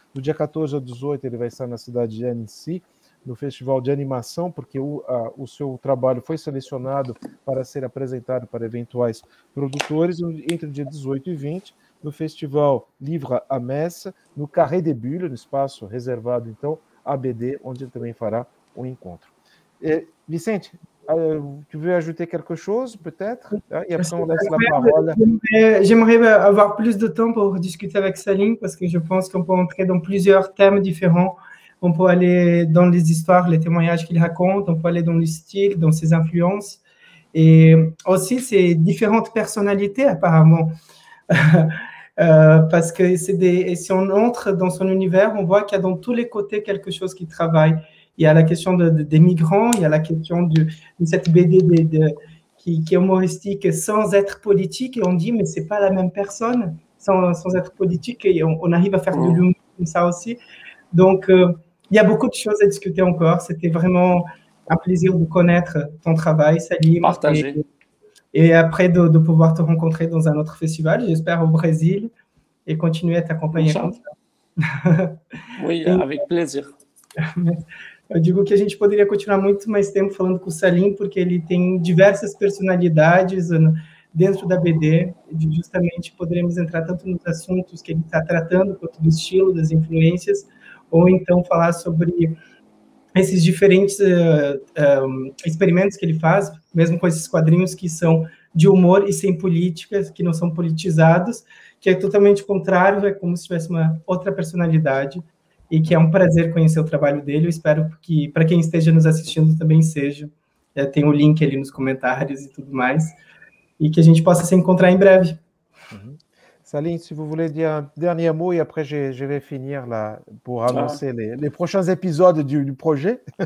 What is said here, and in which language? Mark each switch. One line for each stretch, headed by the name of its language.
Portuguese: Do dia 14 ao 18, ele vai estar na cidade de Annecy, no Festival de Animação, porque o seu trabalho foi selecionado para ser apresentado para eventuais produtores, entre o dia 18 e 20, no Festival Livre à Metz, no Carré des Bulles, no espaço reservado, então, à BD, onde ele também fará um encontro.
French: Vicente, tu veux ajouter quelque chose, peut-être? E après, on laisse la parole. J'aimerais avoir plus de temps pour discuter avec Salim, parce que je pense qu'on peut entrer dans plusieurs thèmes différents. On peut aller dans les histoires, les témoignages qu'il raconte, on peut aller dans le style, dans ses influences, et aussi ses différentes personnalités apparemment. parce que c'est des, et si on entre dans son univers, on voit qu'il y a dans tous les côtés quelque chose qui travaille. Il y a la question des migrants, il y a la question de cette BD qui est humoristique sans être politique, et on dit mais c'est pas la même personne sans être politique, et on arrive à faire de l'humour comme ça aussi. Donc, il y a beaucoup de choses à discuter encore. C'était vraiment un plaisir de connaître ton travail, Salim. Partager. Et après, de pouvoir te rencontrer dans un autre festival, j'espère au Brésil, et continuer à t'accompagner. Comme ça. Oui, et, avec plaisir.
Portuguese: Eu digo que a gente poderia continuar muito mais tempo falando com o Salim, porque ele tem diversas personalidades dentro da BD, de justamente poderemos entrar tanto nos assuntos que ele está tratando, quanto do estilo, das influências, ou então falar sobre esses diferentes experimentos que ele faz, mesmo com esses quadrinhos que são de humor e sem políticas, que não são politizados, que é totalmente contrário, é como se tivesse uma outra personalidade, e que é um prazer conhecer o trabalho dele, eu espero que, para quem esteja nos assistindo, também seja, tem o link ali nos comentários e tudo mais, e que a gente possa se encontrar em breve.
French: Salim, si vous voulez dire un dernier mot et après je vais finir là pour annoncer les prochains épisodes du projet.